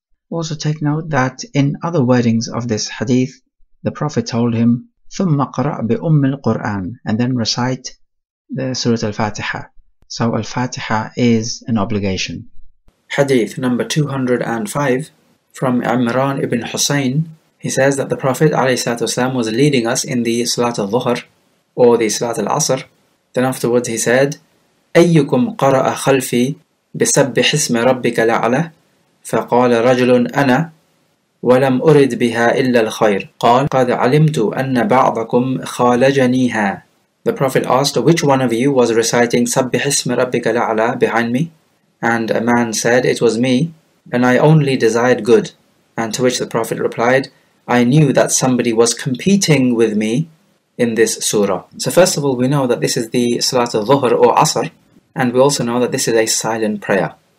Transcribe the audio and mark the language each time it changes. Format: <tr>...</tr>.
<en>Also take note that in other wordings of this hadith, the Prophet told him,</en> <ar>ثُمَّ قَرَأْ بِأُمِّ الْقُرْآنِ,</ar> <en>and then recite the Surah Al-Fatiha. So Al-Fatiha is an obligation. Hadith number 205 from Imran ibn Husayn. He says that the Prophet والسلام, was leading us in the Salat al-Dhuhr, or the Salat al-Asr. Then afterwards he said,</en> <ar>أَيُّكُمْ قَرَأَ خَلْفِي بِسَبِّحِ اسْمِ رَبِّكَ لَعَلَى فَقَالَ رَجُلٌ أَنَا وَلَمْ أُرِدْ بِهَا إِلَّا الْخَيْرِ قَالَ قَدْ عَلِمْتُ أَنَّ بَعْضَكُمْ خَالَجَنِيهَا.</ar> <en>The Prophet asked, which one of you was reciting</en> <ar>سَبِّحِ اسْمِ رَبِّكَ لَعَلَى</ar> <en>behind me? And a man said, it was me, and I only desired good. And to which the Prophet replied, I knew that somebody was competing with me in this surah. So first of all, we know that this is the Salat al-Dhuhr or Asr, and we also know that this is a silent prayer.</en>